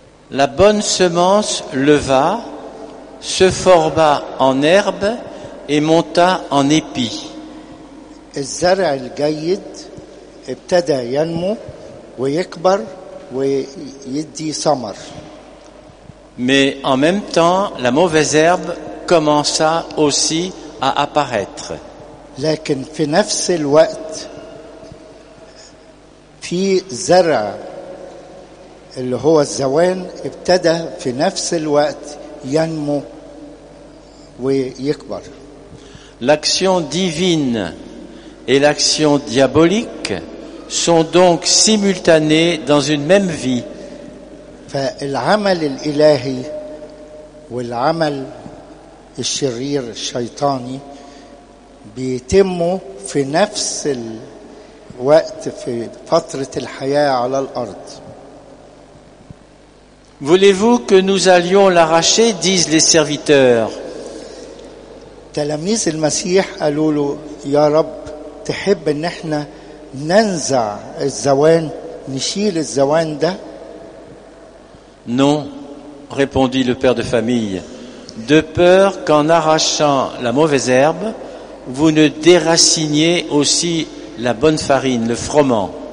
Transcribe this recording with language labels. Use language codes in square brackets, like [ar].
[fr] La bonne semence leva, se forma en herbe et monta en épi. [ar] الزرع الجيد ابتدى ينمو ويكبر ويدي ثمر. [fr] Mais en même temps, la mauvaise herbe commença aussi à apparaître. [ar] لكن في نفس الوقت في زرع اللي هو الزوان ابتدى في نفس الوقت ينمو ويكبر. [fr] L'action divine et l'action diabolique sont donc simultanées dans une même vie. [ar] فالعمل الإلهي والعمل الشرير الشيطاني بيتموا في نفس الوقت في فترة الحياة على الأرض. [fr] Voulez-vous que nous allions l'arracher, disent les serviteurs. [ar] تلاميذ المسيح قالوا له يا رب تحب ان احنا ننزع الزوان نشيل الزوان ده. [fr] Non, répondit le père de famille, de peur qu'en arrachant la mauvaise herbe vous ne déraciniez aussi la bonne farine, le froment.